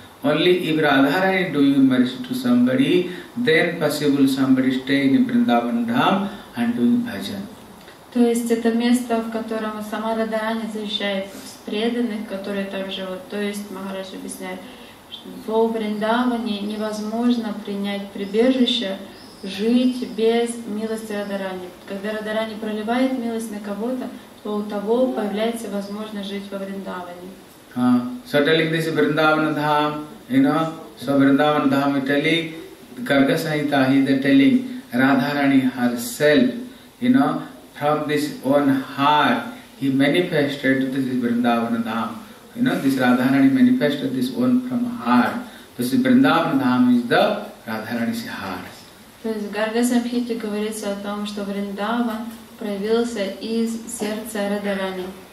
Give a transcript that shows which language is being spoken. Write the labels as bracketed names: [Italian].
[English] Only if Radharani doing mercy to somebody, then possible somebody stay in Vrindavana Dham and doing bhajan. [Russian] То есть это место, в котором сама Радарани защищает преданных, которые там живут. То есть Махарадж объясняет, что во Вриндаване невозможно принять прибежище, жить без милости Радарани. Когда Радарани проливает милость на кого-то, то у того появляется возможность жить во Вриндаване. [English] So telling this Vrindavan Dham, you know, so Vrindavan Dham is telling, Garga Sahita, he is telling Radharani herself, you know, from this own heart, he manifested this Vrindavan Dham. You know, this Radharani manifested this one from heart. This Vrindavan Dham is the Radharani's heart. [Russian] То есть в Гарга-самхите говорится о том, что Вриндаван проявился из сердца Радарани.